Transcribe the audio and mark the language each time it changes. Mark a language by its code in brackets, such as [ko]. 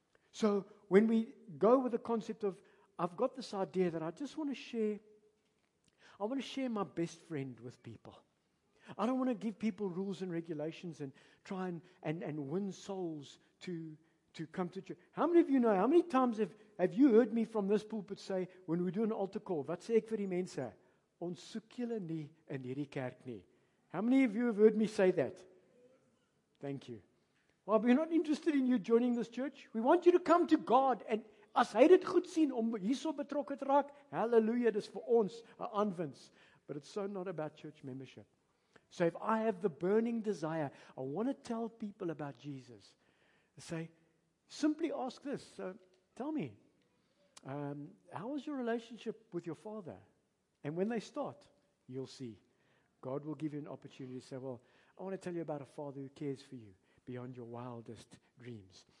[en] So when we go with the concept of, I've got this idea that I want to share my best friend with people. I don't want to give people rules and regulations and try and win souls to come to church. How many of you know, how many times have you heard me from this pulpit say, when we do an altar call, [af] wat sê ek vir die mense? Ons soek julle nie in hierdie kerk nie. [en] How many of you have heard me say that? Thank you. Well, we're not interested in you joining this church. We want you to come to God. [af] And as hy dit goed sien om hierso betrokke te raak, hallelujah, dis vir ons 'n aanwins. [en] But it's so not about church membership. So if I have the burning desire, I want to tell people about Jesus. Say, simply ask this. So tell me, how is your relationship with your father? And when they start, you'll see. God will give you an opportunity to say, well, I want to tell you about a father who cares for you beyond your wildest dreams.